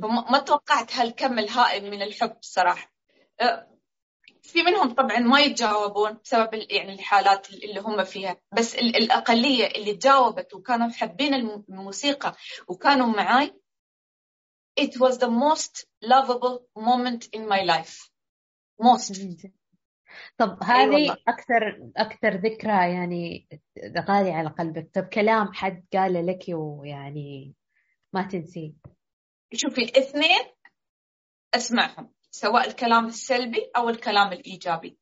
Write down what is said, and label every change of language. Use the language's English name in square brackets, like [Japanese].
[Arabic] ما توقعت هالكم الهائل من الحب صراحة. في منهم طبعا ما يتجاوبون بسبب يعني الحالات اللي هم فيها، بس الأقلية اللي جاوبت وكانوا حابين الموسيقى وكانوا معاي. [English] It was the most lovable moment in my life. Most. [Arabic] طب هذه أكثر ذكرى يعني غالية على قلبك. طب كلام حد قال لك ويعني ما تنسي؟ شوفي الاثنين أسمعهم، سواء الكلام السلبي أو الكلام الإيجابي.